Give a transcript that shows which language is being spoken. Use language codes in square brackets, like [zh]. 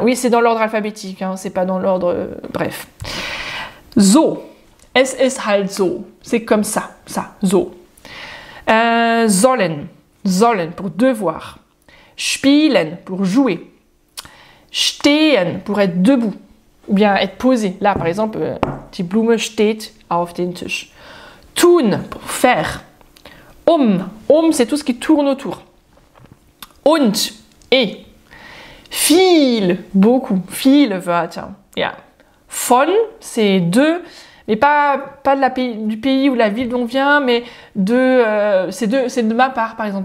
[fr] Oui, c'est dans l'ordre alphabétique. Hein, c'est pas dans l'ordre. [de] Bref. So, es ist halt so. [fr] C'est comme ça, ça, so. Sollen. Sollen, pour devoir. Spielen, pour jouer. Stehen, pour être debout. Ou bien être posé. Là, par exemple, [de] die Blume steht auf den Tisch. [fr] Tun, pour faire. Um, c'est tout ce qui tourne autour. [de] Und, et. Viel, beaucoup. Viel, Wörter. Yeah. [fr] Von, c'est de. Mais pas de la pays, du pays ou la ville dont on vient, mais c'est de ma part, par exemple.